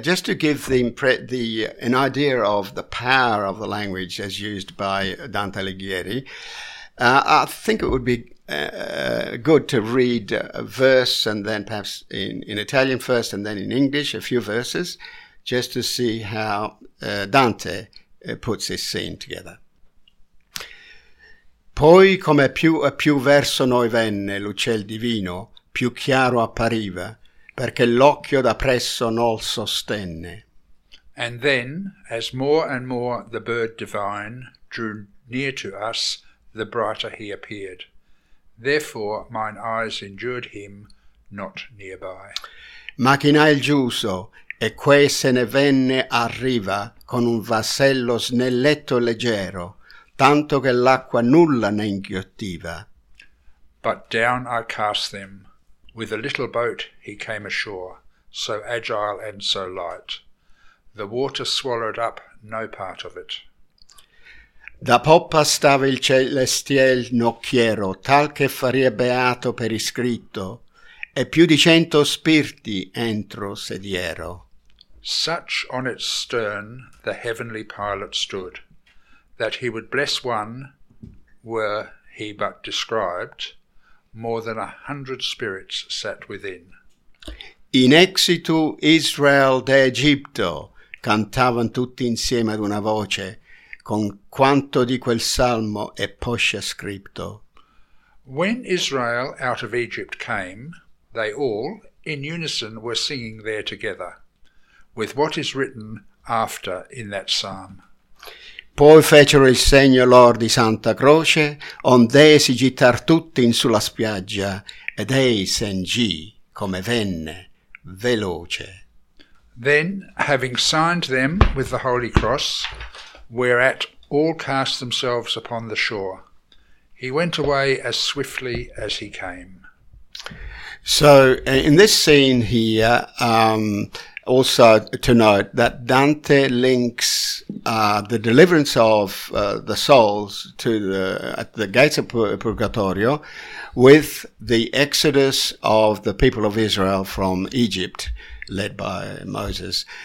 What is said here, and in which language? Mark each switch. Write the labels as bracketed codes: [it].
[en] Just to give an idea of the power of the language as used by Dante Alighieri, I think it would be good to read a verse and then perhaps in Italian first and then in English a few verses, just to see how Dante puts this scene together. [it] Poi come più e più verso noi venne l'uccel divino, più chiaro appariva, perché l'occhio da presso nol sostenne. [en] And then, as more and more the bird divine drew near to us, the brighter he appeared. Therefore mine eyes endured him not nearby. [it] Machinai il giuso, e quei se ne venne a riva con un vassello snelletto leggero, tanto che l'acqua nulla ne inghiottiva. [en] But down I cast them. With a little boat he came ashore, so agile and so light. The water swallowed up no part of it. [it] Da poppa stava il celestiel nocchiero, tal che faria beato per iscritto, e più di 100 spirti entro sediero. [en] Such on its stern the heavenly pilot stood, that he would bless one, were he but described, more than 100 spirits sat within. [la] In exitu Israel de Egipto, [it] cantavan tutti insieme ad una voce, con quanto di quel salmo è poscia scripto. [en] When Israel out of Egypt came, they all, in unison, were singing there together, with what is written after in that psalm. [it] Poi fecero il segno lor di Santa Croce, onde si gittar tutti in sulla spiaggia, ed ei sen gì, come venne, veloce. [en] Then, having signed them with the Holy Cross, whereat all cast themselves upon the shore, he went away as swiftly as he came. So, in this scene here, also to note that Dante links the deliverance of the souls at the gates of Purgatorio with the exodus of the people of Israel from Egypt, led by Moses.